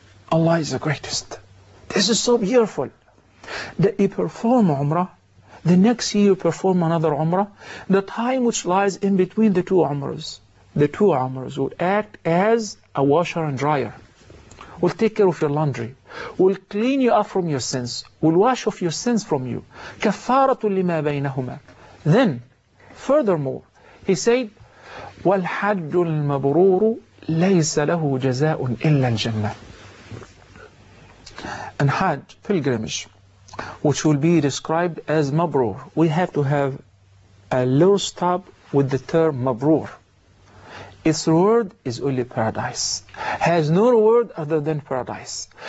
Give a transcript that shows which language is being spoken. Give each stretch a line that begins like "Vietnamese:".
English: Allah is the greatest. This is so beautiful. That you perform Umrah, the next year you perform another Umrah, the time which lies in between the two Umrahs will act as a washer and dryer. Will take care of your laundry. Will clean you up from your sins. Will wash off your sins from you.
Arabic: كَفَّارَةٌ لِمَا بَيْنَهُمَا.
English: Then, furthermore, he said,
Arabic: وَالْحَجُّ الْمَبْرُورُ لَيْسَ لَهُ جَزَاءٌ إِلَّا الْجَنَّةِ.
English: And Hajj, pilgrimage, which will be described as mabrur. We have to have a little stop with the term mabrur. Its reward is only paradise. Has no reward other than paradise.